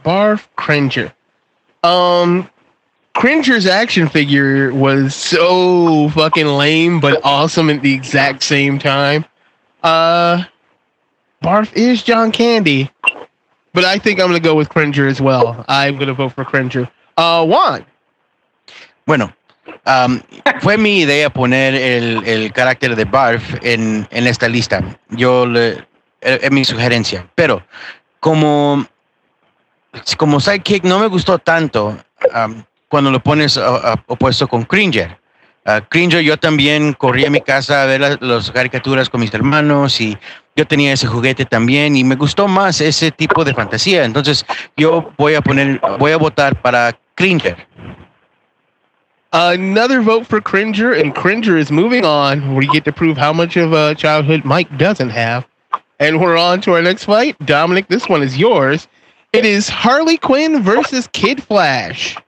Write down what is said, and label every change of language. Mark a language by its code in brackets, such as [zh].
[en] Barf, Cringer. Cringer's action figure was so fucking lame, but awesome at the exact same time. Barf is John Candy, but I think I'm going to go with Cringer as well. I'm going to vote for Cringer. Juan. [es] Bueno, fue mi idea poner el carácter de Barf en esta lista. Yo es mi sugerencia, pero como sidekick no me gustó tanto. Cuando lo pones opuesto con Cringer. Cringer, yo también corrí a mi casa a ver las caricaturas con mis hermanos y yo tenía ese juguete también y me gustó más ese tipo de fantasía. Entonces, yo voy a votar para Cringer. [en] Another vote for Cringer, and Cringer is moving on. We get to prove how much of a childhood Mike doesn't have. And we're on to our next fight. Dominic, this one is yours. It is Harley Quinn versus Kid Flash.